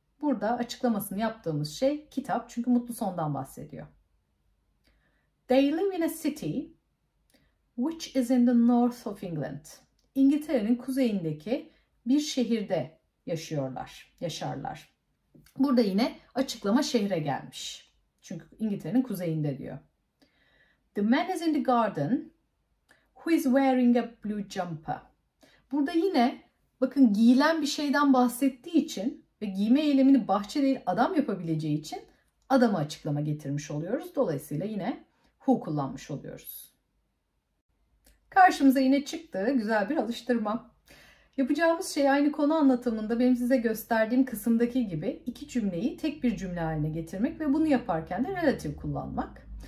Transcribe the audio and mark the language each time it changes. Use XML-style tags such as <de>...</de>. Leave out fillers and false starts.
<tr>Burada açıklamasını yaptığımız şey kitap çünkü mutlu sondan bahsediyor.</tr> <en>They live in a city which is in the north of England.</en> <tr>İngiltere'nin kuzeyindeki bir şehirde yaşarlar. Burada yine açıklama şehre gelmiş. Çünkü İngiltere'nin kuzeyinde diyor.</tr> <en>The man is in the garden who is wearing a blue jumper.</en> <tr>Burada yine bakın giyilen bir şeyden bahsettiği için ve giyme eylemini bahçe değil adam yapabileceği için adama açıklama getirmiş oluyoruz. Dolayısıyla yine who kullanmış oluyoruz. Karşımıza yine çıktı. Güzel bir alıştırma. Yapacağımız şey aynı konu anlatımında benim size gösterdiğim kısımdaki gibi iki cümleyi tek bir cümle haline getirmek ve bunu yaparken de relatif kullanmak.</tr>